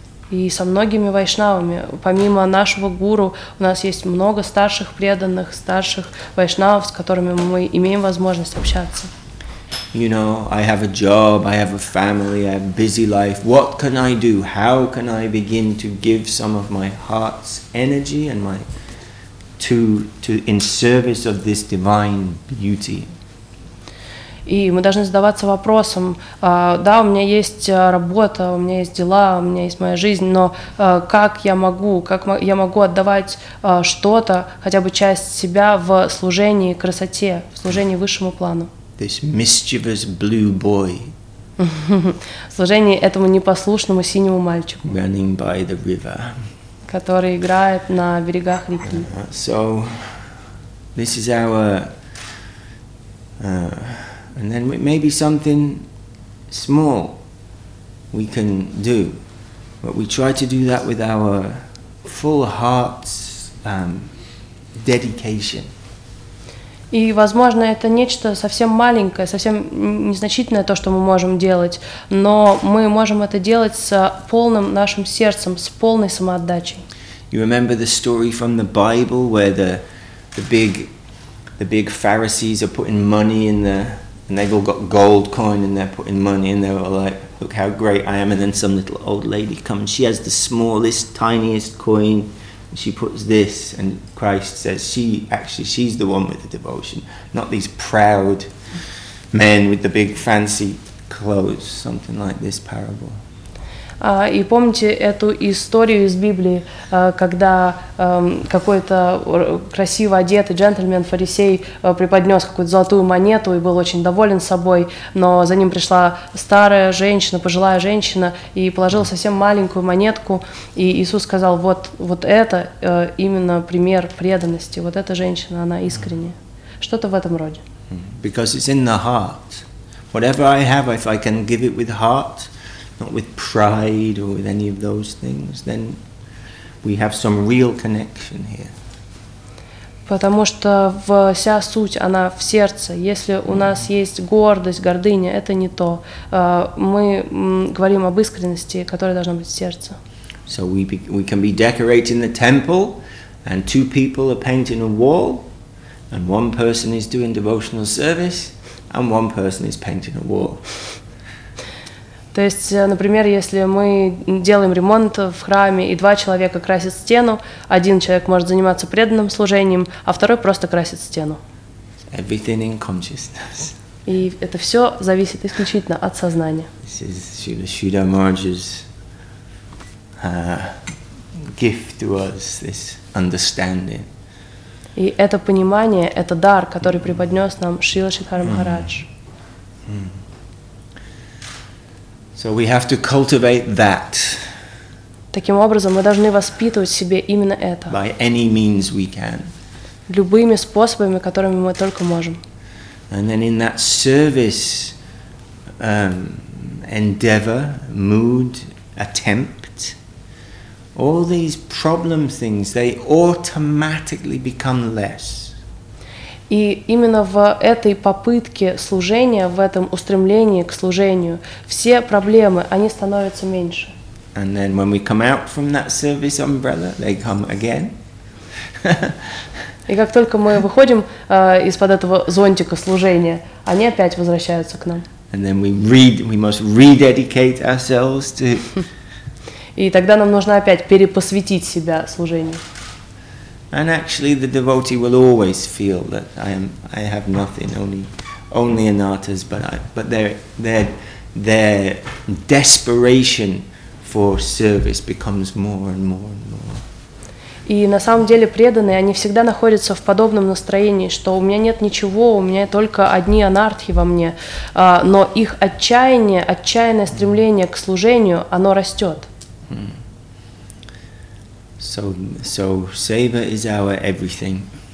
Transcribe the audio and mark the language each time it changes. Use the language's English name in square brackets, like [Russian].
[Russian] И со многими вайшнавами, помимо нашего гуру, у нас есть много старших преданных, старших вайшнавов, с которыми мы имеем возможность общаться. [English] You know, I have a job, I have a family, I have a busy life. What can I do? How can I begin to give some of my heart's energy and my to in service of this divine beauty? [Russian] И мы должны задаваться вопросом, да, у меня есть работа, у меня есть дела, у меня есть моя жизнь, но как я могу отдавать что-то, хотя бы часть себя в служении красоте, в служении высшему плану? [English] This mischievous blue boy. [Russian] В служении этому непослушному синему мальчику. [English] Running by the river. [Russian] Который играет на берегах реки. [English] So, this is our... And then maybe something small we can do, but we try to do that with our full heart's dedication. [Russian] И, возможно, это нечто совсем маленькое, совсем незначительное то, что мы можем делать, но мы можем это делать с полным нашим сердцем, с полной самоотдачей. [English] You remember the story from the Bible where the big Pharisees are putting money in the And they've all got gold coin and they're putting money and they're all like, look how great I am. And then some little old lady comes. She has the smallest, tiniest coin. And she puts this and Christ says, she's the one with the devotion. Not these proud men with the big fancy clothes. Something like this parable. [Russian] И помните эту историю из Библии, когда какой-то красиво одетый джентльмен-фарисей преподнес какую-то золотую монету и был очень доволен собой, но за ним пришла старая женщина, пожилая женщина, и положила совсем маленькую монетку, и Иисус сказал, вот это именно пример преданности, вот эта женщина, она искренняя. Что-то в этом роде. [English] Because it's in the heart. Whatever I have, if I can give it with heart, not with pride or with any of those things, then we have some real connection here. [Russian] Потому что вся суть, она в сердце. Если у нас есть гордость, гордыня, это не то. Мы говорим об искренности, которая должна быть в сердце. [English] So we can be decorating the temple, and two people are painting a wall, and one person is doing devotional service, and one person is painting a wall. [Russian] То есть, например, если мы делаем ремонт в храме, и два человека красят стену, один человек может заниматься преданным служением, а второй просто красит стену. [English] Everything in consciousness. [Russian] И это все зависит исключительно от сознания. [English] This is Śrīla Śrīdhara Mahārāja's gift to us, this understanding. [Russian] И это понимание, это дар, который преподнес нам Śrīla Śrīdhara Mahārāja. [English] So we have to cultivate that. [Russian] Таким образом, мы должны воспитывать в себе именно это. [English] By any means we can. [Russian] Любыми способами, которыми мы только можем. [English] And then in that service endeavor, mood, attempt, all these problem things, they automatically become less. [Russian] И именно в этой попытке служения, в этом устремлении к служению, все проблемы, они становятся меньше. [English] And then when we come out from that service umbrella, they come again. [Russian] И как только мы выходим из-под этого зонтика служения, они опять возвращаются к нам. [English] And then we must rededicate ourselves to. [Russian] И тогда нам нужно опять перепосвятить себя служению. [English] And actually, the devotee will always feel that I have nothing, only anattas. But their desperation for service becomes more and more and more. [Russian] И на самом деле преданные, они всегда находятся в подобном настроении, что у меня нет ничего, у меня только одни анартхи во мне. Но их отчаяние, отчаянное стремление к служению, оно растет. [English] So seva is our everything.